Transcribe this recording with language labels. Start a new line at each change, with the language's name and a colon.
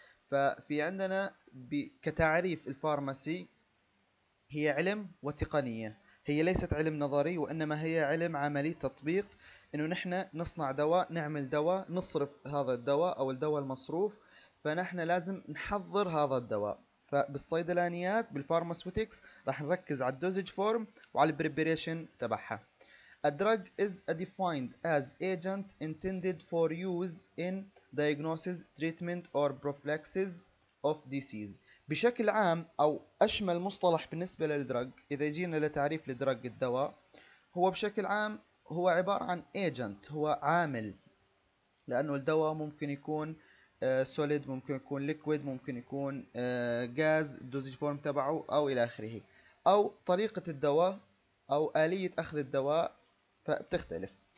Arabic: ففي عندنا كتعريف الفارماسي هي علم وتقنية، هي ليست علم نظري وإنما هي علم عملي تطبيق، إنه نحن نصنع دواء، نعمل دواء، نصرف هذا الدواء أو الدواء المصروف، فنحن لازم نحضر هذا الدواء. فبالصيدلانيات بالفارماسوتكس راح نركز على الدوزج فورم وعلى البريبريشن تبعها.
English: A drug is defined as agent intended for use in diagnosis, treatment or prophylaxis of disease.
Arabic: بشكل عام أو أشمل مصطلح بالنسبة للدرج، إذا جينا لتعريف الدرج الدواء، هو بشكل عام هو عبارة عن agent، هو عامل، لأنه الدواء ممكن يكون solid، ممكن يكون liquid، ممكن يكون gas dosage form تبعه أو إلى آخره، أو طريقة الدواء أو آلية أخذ الدواء فبتختلف.